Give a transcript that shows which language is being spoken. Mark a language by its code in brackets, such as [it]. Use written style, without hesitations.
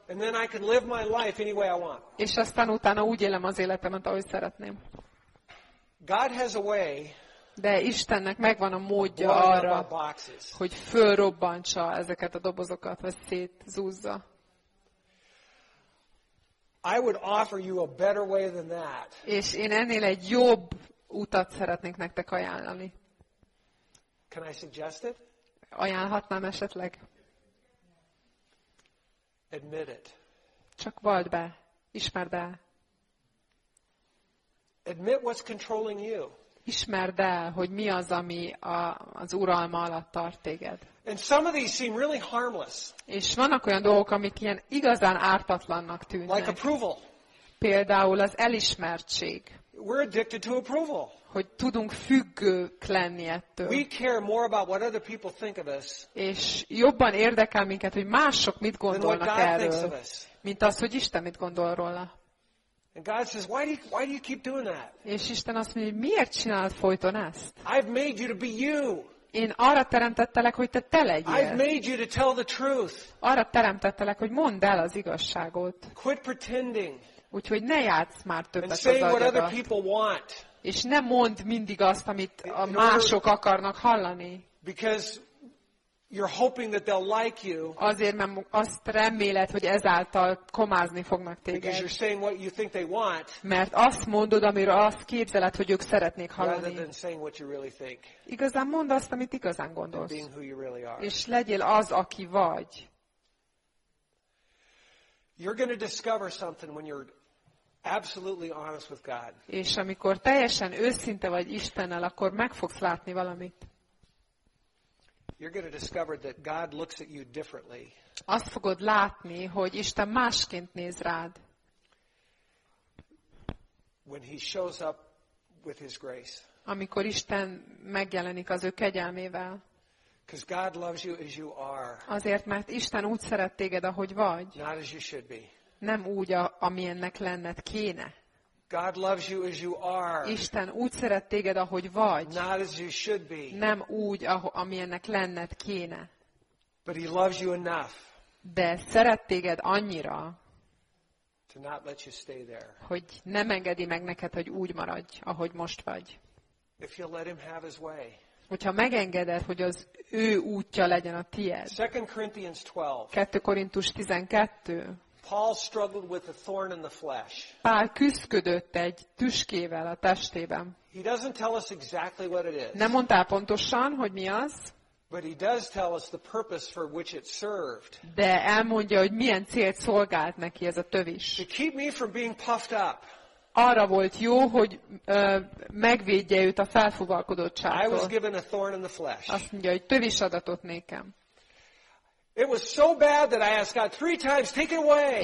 [en] and then I can live my life any way I want. [hu] És aztán utána úgy élem az életemet, ahogy szeretném. [en] God has a way, [hu] de Istennek megvan a módja arra, hogy fölrobbantsa ezeket a dobozokat, vagy szétzúzza. [en] I would offer you a better way than that. [hu] És én ennél egy jobb utat szeretnék nektek ajánlani. [en] Can I suggest it? [hu] Ajánlhatnám esetleg. [en] Admit it. [hu] Csak valld be. Ismerd el. [en] Admit what's controlling you. [hu] Ismerd el, hogy mi az, ami az uralma alatt tart téged. [en] And some of these seem really harmless. [hu] És vannak olyan dolgok, amik ilyen igazán ártatlannak tűnnek. [en] Like approval. [hu] Például az elismertség. [en] We're addicted to approval. [hu] Hogy tudunk függők lenni ettől. [en] We care more about what other people think of us. [hu] És jobban érdekel minket, hogy mások mit gondolnak erről, mint az, hogy Isten mit gondol róla. [en] And God says, why do you keep doing that? [hu] És Isten azt mondja, miért csinálod folyton ezt? [en] I've made you to be you. [hu] Én arra teremtettelek, hogy te legyél. [en] I've made you to tell the truth. [hu] Arra teremtettelek, hogy mondd el az igazságot. [en] Quit pretending. [hu] Úgyhogy ne játsz már többet az agyadat. [en] And say what other people want. [hu] És ne mondd mindig azt, amit a mások akarnak hallani. [en] Because you're hoping that they'll like you. [hu] Azért, mert azt reméled, hogy ezáltal komázni fognak téged. [en] Because you're saying what you think they want. [hu] Mert azt mondod, amiről azt képzeled, hogy ők szeretnék hallani. [en] Rather than saying what you really think. [hu] Igazán mondd azt, amit igazán gondolsz. [en] And being who you really are. [hu] És legyél az, aki vagy. [en] You're going to discover something when you're absolutely honest with God. [hu] És amikor teljesen őszinte vagy Istennel, akkor meg fogsz látni valamit. [en] You're going to discover that God looks at you differently. [hu] Azt fogod látni, hogy Isten másként néz rád. [en] When he shows up with his grace. [hu] Amikor Isten megjelenik az ő kegyelmével. [en] Because God loves you as you are. [hu] Azért, mert Isten úgy szeret téged, ahogy vagy. [en] Not as you should be. [hu] Nem úgy, amilyennek lenned kéne. [en] God loves you as you are. [hu] Isten úgy szeret téged, ahogy vagy. [en] Not as you should be. [hu] Nem úgy, amilyennek lenned kéne. [en] But he loves you enough. [hu] De szeret téged annyira, [en] to not let you stay there. [hu] Hogy nem engedi meg neked, hogy úgy maradj, ahogy most vagy. [en] If you let him have his way. [hu] Hogyha megengeded, hogy az ő útja legyen a tied. 2 Korintus 12. [en] Paul struggled with a thorn in the flesh. [hu] Pál küszködött egy tüskével a testében. [en] He doesn't tell us exactly what it is. [hu] Nem mondta pontosan, hogy mi az. [en] But he does tell us the purpose for which it served. [hu] De elmondja, hogy milyen célt szolgált neki ez a tövis. [en] To keep me from being puffed up. [hu] Arra volt jó, hogy megvédje őt a felfúvalkodottságtól. Azt mondja, hogy tövis adatot nékem. [en] It was so bad that I asked God 3 times, take it away.